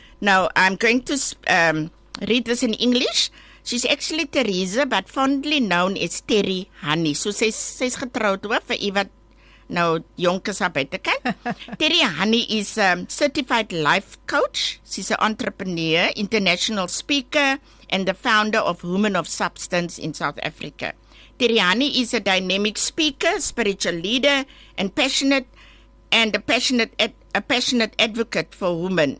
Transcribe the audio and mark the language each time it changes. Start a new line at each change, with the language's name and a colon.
English: Now, I'm going to read this in English. She's actually Teresa, but fondly known as Terry Honey.
Afrikaans: So, sy is getrouwd hoor, vir jy wat nou jonk is haar buitenkant.
English: Terry Honey is a certified life coach. She's an entrepreneur, international speaker, and the founder of Women of Substance in South Africa. Terry Honey is a dynamic speaker, spiritual leader, and passionate advocate for women.